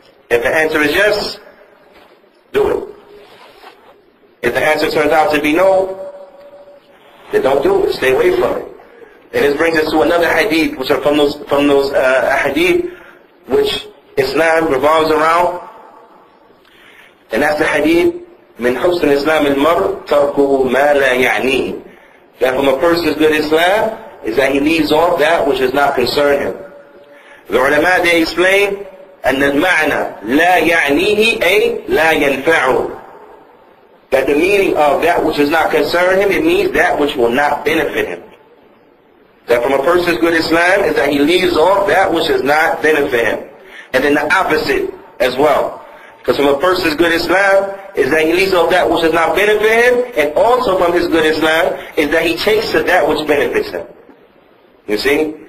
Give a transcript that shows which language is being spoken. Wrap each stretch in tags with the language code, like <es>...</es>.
<en>If the answer is yes, do it. If the answer turns out to be no, then don't do it. Stay away from it. And this brings us to another hadith, which are from those hadith which Islam revolves around. And that's the hadith,</en> <ar>من حسن الإسلام المرء تركه ما لا يعنيه.</ar> <en>That from a person's good Islam is that he leaves off that which does not concern him. The ulama, they explain,</en> <ar>أن المعنى لا يعنيه أي لا ينفعه.</ar> <en>That the meaning of that which does not concern him, it means that which will not benefit him. That from a person's good Islam is that he leaves off that which does not benefit him. And then the opposite as well. Because from a person's good Islam is that he leaves off that which does not benefit him, and also from his good Islam is that he takes to that which benefits him. You see?</en>